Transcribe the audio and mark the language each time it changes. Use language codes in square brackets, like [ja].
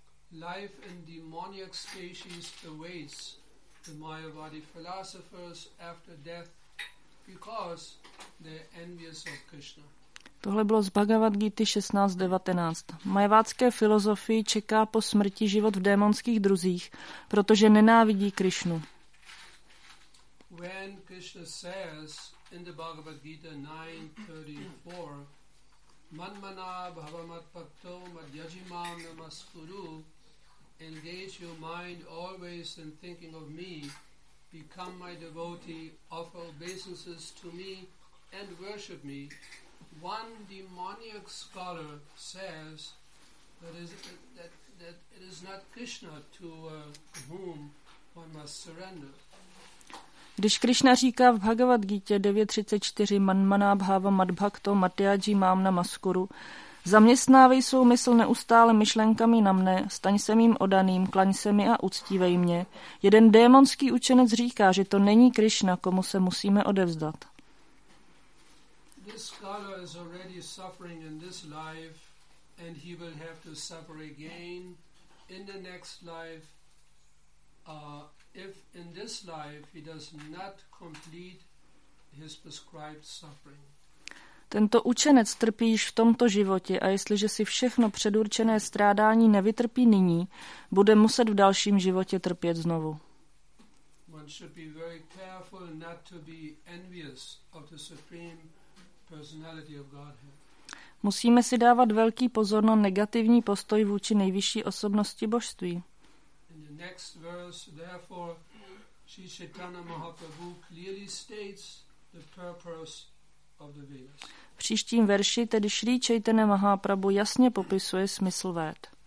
[en] Life in demonic species awaits the Mayavadi philosophers after death because they're envious of Krishna. [cs] Tohle bylo z Bhagavad Gita 16:19. Majavácké filozofii čeká po smrti život v démonských druzích, protože nenávidí Krišnu. [en] When Krishna says in the Bhagavad Gita 9:34, [sa] Manmana bhavamat pakto madhyajimam namaskuru, [en] engage your mind always in thinking of me, become my devotee, offer obeisances to me and worship me. One demoniac scholar says that it is not Krishna to whom one must surrender. [cs] Když Krishna říká v Bhagavad Gita 9:34 [sa] Manmana bhava madbhakto matyaji mám na maskuru, [cs] zaměstnávej svou mysl neustále myšlenkami na mne, staň se mým odaným, klaň se mi a uctívej mě. Jeden démonský učenec říká, že to není Krishna, komu se musíme odevzdat. [en] This scholar is already suffering in this life, and he will have to suffer again in the next life. If in this life he does not complete his prescribed suffering. [cs] Tento učenec trpí již v tomto životě, a jestliže si všechno předurčené strádání nevytrpí nyní, bude muset v dalším životě trpět znovu. [en] One should be very careful not to be envious of the supreme personality of Godhead. [cs] Musíme si dávat velký pozor na negativní postoj vůči nejvyšší osobnosti božství. [en] In the next verse, therefore, Sri Chaitanya Mahaprabhu clearly states the purpose of the Vedas. [cs] V příštím verši tedy Sri Chaitanya Mahaprabhu jasně popisuje smysl Véd.